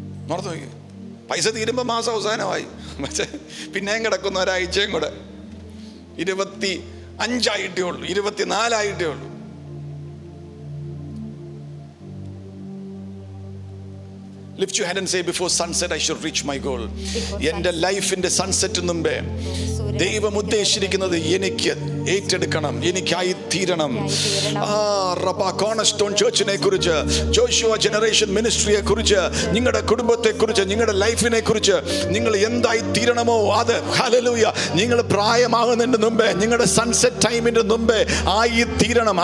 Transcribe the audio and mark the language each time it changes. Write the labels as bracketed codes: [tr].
[ml] മറന്നു നോക്കി, പൈസ തീരുമ്പോ മാസം അവസാനമായി, പിന്നെയും കിടക്കുന്ന ഒരാഴ്ചയും കൂടെ 25 ഉള്ളൂ, 24 ഉള്ളൂ. [en] Lift your hand and say, before sunset I should reach my goal. [ml] എൻ്റെ ലൈഫിന്റെ സൺസെറ്റ് മുമ്പേ ദൈവം ഉദ്ദേശിച്ചിരിക്കുന്നത് എനിക്ക് ഏറ്റെടുക്കണം, എനിക്കായി തീരണം. ആ റബ്ബ, കോണർ സ്റ്റോൺ ചേർച്ചിനെ കുറിച്ച്, ജോഷുവ ജനറേഷൻ മിനിസ്ട്രിയെ കുറിച്ച്, നിങ്ങളുടെ കുടുംബത്തെ കുറിച്ച്, നിങ്ങളുടെ ലൈഫിനെ കുറിച്ച് നിങ്ങൾ എന്തായി തീരണമോ അത്, ഹല്ലേലൂയ, നിങ്ങൾ പ്രായമാകുന്നതിന്റെ മുമ്പേ, നിങ്ങളുടെ സൺസെറ്റ് ടൈമിന്റെ മുമ്പേ ആയി തീരണം.